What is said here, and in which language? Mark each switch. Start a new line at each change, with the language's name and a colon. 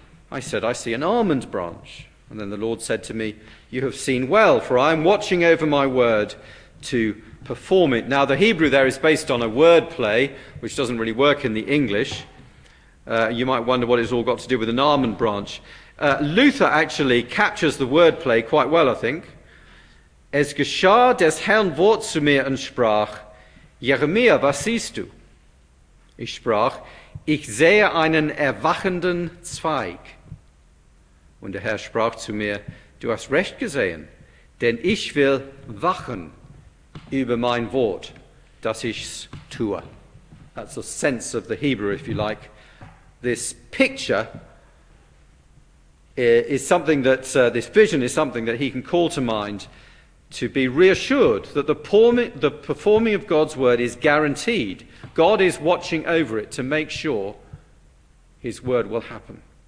English: I said, I see an almond branch. And then the Lord said to me, you have seen well, for I am watching over my word to perform it. Now, the Hebrew there is based on a word play, which doesn't really work in the English. You might wonder what it's all got to do with an almond branch. Luther actually captures the wordplay quite well, I think.
German: Es geschah des Herrn Wort zu mir und sprach, Jeremia, was siehst du? Ich sprach, ich sehe einen erwachenden Zweig. Und der Herr sprach zu mir, du hast recht gesehen, denn ich will wachen über mein Wort, dass ich's tue.
English: That's the sense of the Hebrew, if you like. This picture is something that, this vision is something that he can call to mind to be reassured that the performing of God's word is guaranteed. God is watching over it to make sure his word will happen.